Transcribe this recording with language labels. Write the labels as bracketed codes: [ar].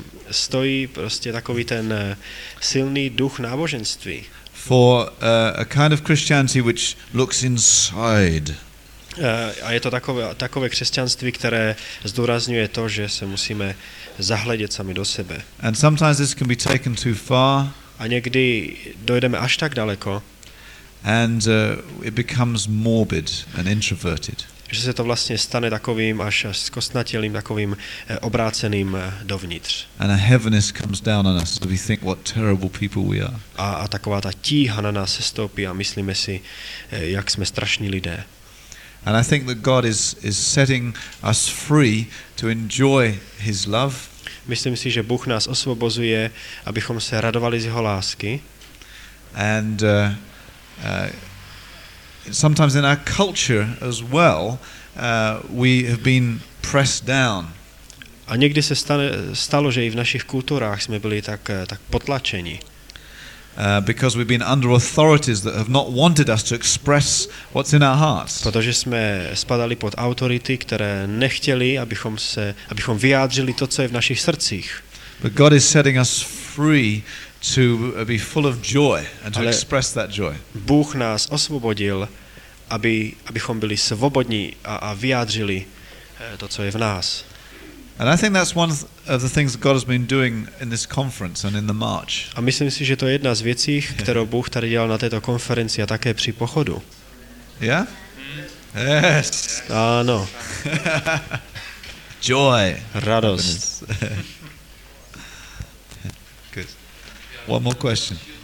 [cs] Stojí prostě takový ten silný duch náboženství. [en] For a kind of Christianity which looks inside. [cs] A je to takové křesťanství, které zdůrazňuje to, že se musíme zahledět sami do sebe. [en] And sometimes this can be taken too far. [cs] A někdy dojdeme až tak daleko. [en] And it becomes morbid and introverted. [cs] Že se to vlastně stane takovým až zkostnatělým, takovým obráceným dovnitř. [en] And a heaviness comes down on us as we think what terrible people we are. [cs] A taková ta tíha na nás sestoupí a myslíme si, jak jsme strašní lidé. [en] And I think that God is setting us free to enjoy his love. [cs] Myslím si, že Bůh nás osvobozuje, abychom se radovali z jeho lásky. [en] And sometimes in our culture as well, we have been pressed down. [cs] A někdy se stalo, že i v našich kulturách jsme byli tak potlačeni. [en] Because we've been under authorities that have not wanted us to express what's in our hearts. [cs] Protože jsme spadali pod autority, které nechtěli, abychom vyjádřili to, co je v našich srdcích. [en] But God is setting us free to be full of joy and to express that joy. [cs] Bůh nás osvobodil, abychom byli svobodní a vyjádřili to, co je v nás. [en] And I think that's one of the things God has been doing in this conference and in the march. [cs] A myslím si, že to je jedna z věcí, kterou Bůh tady dělal na této konferenci a také při pochodu. [en] Yeah? Yes. [cs] Ano. [en] Joy. [cs] Radost. [en] One more question.